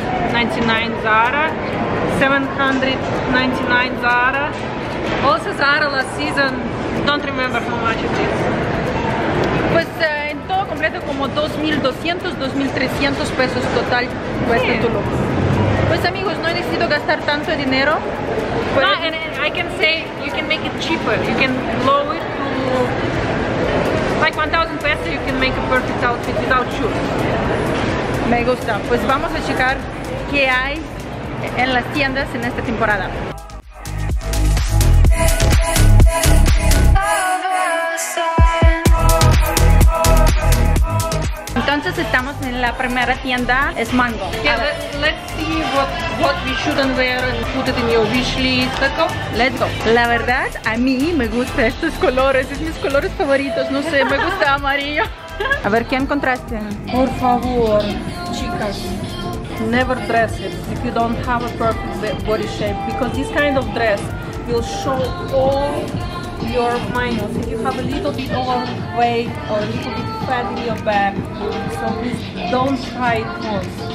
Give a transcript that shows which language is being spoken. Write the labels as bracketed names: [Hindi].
[English] 499 Zara, 799 Zara, also Zara last season, don't remember how much it is. [Spanish] Pues en todo completo como 2200, 2300 pesos total cuesta tu look. Pues amigos, no he decidido gastar tanto dinero. [English] No, and I can say you can make it cheaper, you can blow it to like 1000 pesos, you can make a perfect outfit without shoes. [Spanish] Me gusta. Pues vamos a checar qué hay en las tiendas en esta temporada. Entonces estamos en la primera tienda, es Mango. [English] Yeah, let's see what we shouldn't wear and put it in your wish list. Let's go. Let's go. [Spanish] La verdad, a mí me gustan estos colores, es mis colores favoritos, no sé, me gusta amarillo. A ver, ¿qué encontraste? Por favor, chicas, [English] never dress it if you don't have a perfect body shape, because this kind of dress will show all your minus. If you have a little bit overweight or a little bit fat in your back, so please don't try it once.